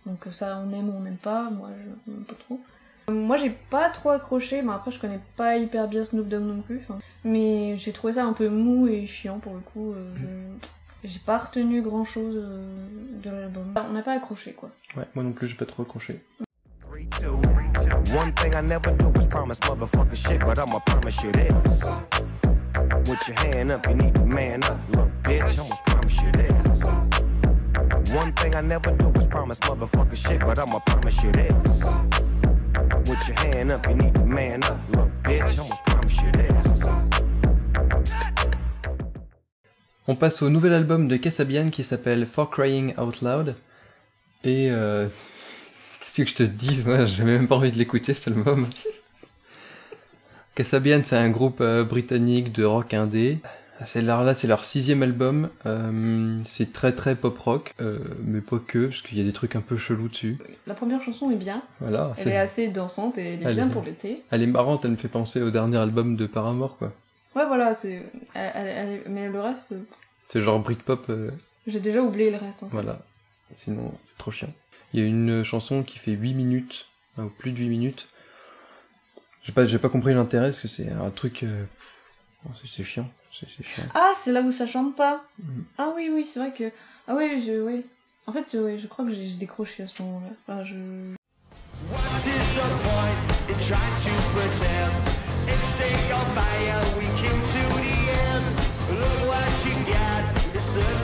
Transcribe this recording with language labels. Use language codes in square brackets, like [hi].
[fr] Donc ça, on aime ou on n'aime pas, moi je n'aime pas trop. Moi j'ai pas trop accroché, mais après je connais pas hyper bien Snoop Dogg non plus. Hein. Mais j'ai trouvé ça un peu mou et chiant pour le coup. J'ai pas retenu grand chose de l'album. On n'a pas accroché quoi. Ouais, moi non plus j'ai pas trop accroché. [en] 3, 2, 1 thing I never do was promise motherfucking shit, but I'ma promise you this. Put your hand up, you need a man up. Look, bitch, I'ma promise you this. One thing I never do was promise motherfucking shit, but I'ma promise you this. Put your hand up, you need a man up. Look, bitch, I'ma promise you this. [fr] On passe au nouvel album de Kasabian qui s'appelle For Crying Out Loud. Et qu'est-ce que je te dise, moi j'avais même pas envie de l'écouter cet album. Kasabian, c'est un groupe britannique de rock indé. Là c'est leur 6e album, c'est très très pop rock, mais pas que, parce qu'il y a des trucs un peu chelous dessus. La première chanson est bien, voilà, elle est assez dansante et elle est bien pour l'été. Elle est marrante, elle me fait penser au dernier album de Paramore quoi. Ouais voilà, c'est... Mais le reste... C'est genre Britpop... J'ai déjà oublié le reste en voilà. fait. Voilà, sinon c'est trop chiant. Il y a une chanson qui fait 8 minutes, hein, ou plus de 8 minutes. J'ai pas compris l'intérêt, parce que c'est un truc... c'est chiant, c'est chiant. Ah, c'est là où ça chante pas mmh. Ah oui, c'est vrai que... Ah oui, En fait, je crois que j'ai décroché à ce moment-là. Enfin, je... [en] What is the point in trying to pretend? It's a fire, we came to the end. Look what you got, it's